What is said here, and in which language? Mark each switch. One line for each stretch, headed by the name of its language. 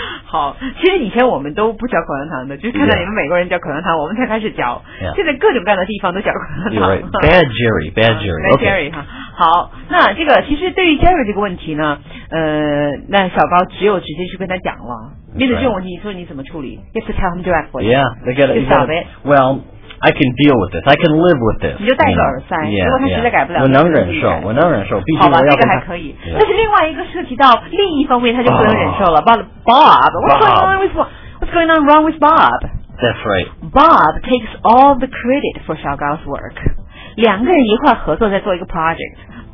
Chinese: 好，其实以前我们都不嚼口香糖的，就是看到你们美国人嚼口香糖，我们才开始嚼。
English: Yeah.
Chinese: 现在各种各样的地方都嚼口香糖。
English: You're right. Bad Jerry, bad Jerry. Bad Jerry 哈、 okay. ，
Chinese: 好，那这个其实对于 Jerry 这个问题呢，那小高只有直接去跟他讲了。
English: Right.
Chinese: 面对这种问题，你说你怎么处理 ？
English: You have to tell him directly. Yeah, they get it. Well, I can deal with this. I can live with this.
Chinese: 你就戴个耳塞，
English: yeah,
Chinese: 如果他实在改不了， yeah. 我能忍受，我能忍受。毕竟好吧，这个还可以。
English: Yeah.
Chinese: 但是另外一个涉及到另一方面，他就不能忍受了。
English: What's going on with Bob? That's right. Bob takes all the credit for 小高's work.
Chinese: 两个人一块合作在做一个
English: project.